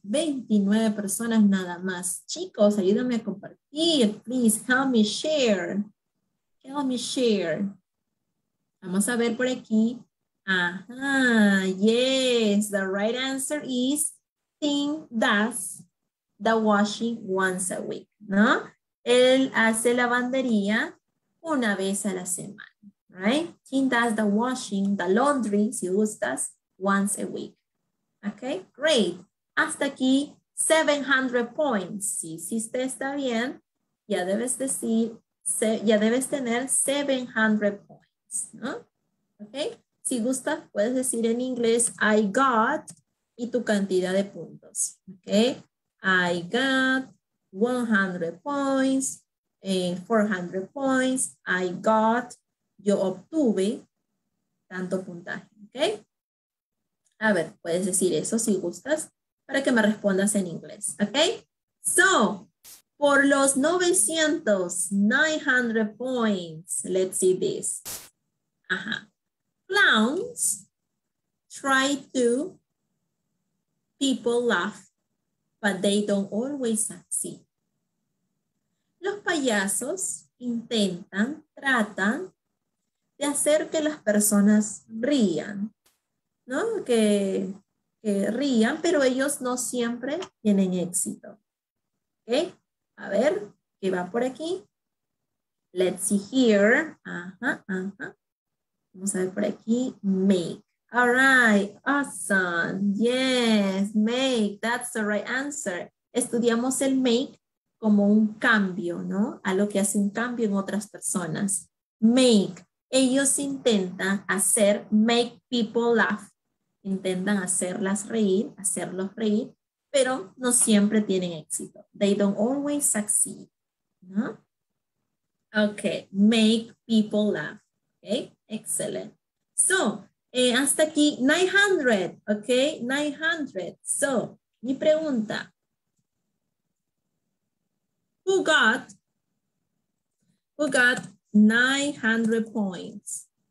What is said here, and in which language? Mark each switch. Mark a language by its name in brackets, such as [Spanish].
[Spanish] 29 personas nada más. Chicos, ayúdame a compartir. [English] Please, help me share. Help me share. [Spanish] Vamos a ver por aquí. Ajá. Yes. [English] The right answer is Tim does the washing once a week. [Spanish] ¿No? Él hace lavandería una vez a la semana. [English] Right? He does the washing, the laundry, [Spanish] si gustas, [English] once a week. Okay, great. [Spanish] Hasta aquí, [English] 700 points. [Spanish] Si hiciste está bien, ya debes decir, ya debes tener 700 points, ¿no? Okay, si gustas, puedes decir en inglés, [English] I got, [Spanish] y tu cantidad de puntos. [English] Okay, I got 100 points, 400 points, I got. [Spanish] Yo obtuve tanto puntaje, ¿ok? A ver, puedes decir eso si gustas para que me respondas en inglés, ¿ok? [English] So, [Spanish] por los [English] 900 points, let's see this. Ajá. Clowns try to people laugh, but they don't always succeed. [Spanish] Los payasos intentan, tratan de hacer que las personas rían, ¿no? Que rían, pero ellos no siempre tienen éxito. ¿Ok? A ver, ¿qué va por aquí? [English] Let's see here. [Spanish] Ajá, ajá. Vamos a ver por aquí. Make. All right. [English] Awesome. Yes. Make. That's the right answer. [Spanish] Estudiamos el make como un cambio, ¿no? Algo que hace un cambio en otras personas. Make. Ellos intentan hacer, [English] make people laugh, [Spanish] intentan hacerlas reír, hacerlos reír, pero no siempre tienen éxito. [English] They don't always succeed, ¿no? Okay, make people laugh, okay, excellent. [Spanish] So, hasta aquí 900, okay, 900. [English] So, [Spanish] mi pregunta, [English] who got 900 points.